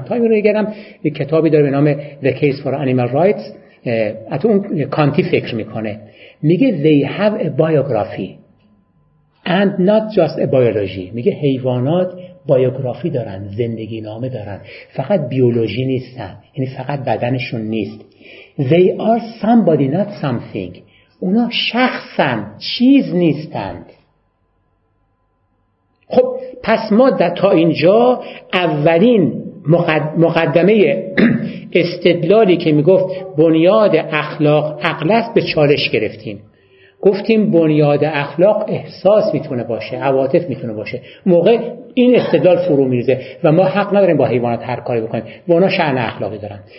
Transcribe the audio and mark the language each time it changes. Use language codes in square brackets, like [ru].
[fa] تام ریگن هم یک کتابی داره به نام The Case for Animal Rights، حتی اون کانتی فکر میکنه، میگه [en] They have a biography and not just a biology. [fa] میگه حیوانات بایوگرافی دارن، زندگی نامه دارن، فقط بیولوژی نیستن، یعنی فقط بدنشون نیست. [en] They are somebody not something. [fa] اونا شخصن، چیز نیستند. خب پس ما در تا اینجا اولین مقدمه استدلالی که میگفت بنیاد اخلاق عقل است به چالش گرفتیم. گفتیم بنیاد اخلاق احساس میتونه باشه، عواطف میتونه باشه، موقع این استدلال فرو میریزه و ما حق نداریم با حیوانات هر کاری بکنیم و اونا شأن اخلاقی دارن.